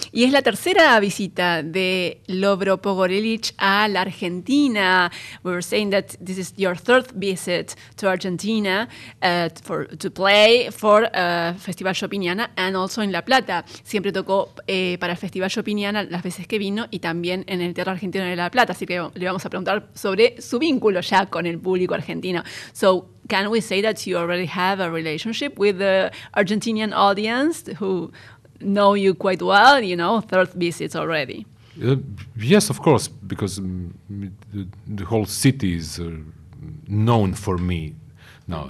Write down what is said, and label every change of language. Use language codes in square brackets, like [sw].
[es] Y es la tercera visita de Lovro Pogorelich a la Argentina. [en] We were saying that this is your third visit to Argentina to play for Festival Chopiniana and also in La Plata. [es] Siempre tocó para el Festival Chopiniana las veces que vino y también en el Teatro Argentino de La Plata. Así que le vamos a preguntar sobre su vínculo ya con el público argentino. [en] So, can we say that you already have a relationship with the Argentinian audience who know you quite well, you know, third visits already? Yes, of course, because the whole city is known for me now.